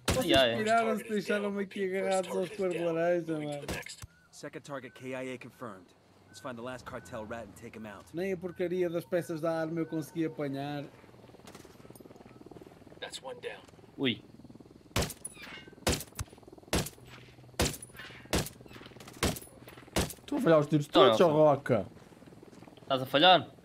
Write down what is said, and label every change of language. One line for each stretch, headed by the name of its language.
Portuguese: Vocês piraram-se, deixaram-me aqui agarrados aos cor de laranja, mano.
English: Second target KIA confirmed. Let's find the last cartel rat and take him out.
Portuguese: Nem a porcaria das peças da arma eu consegui apanhar.
English: That's one down. Ui.
Portuguese: Estou a falhar os tiros todos, ó Roca. Estás a falhar?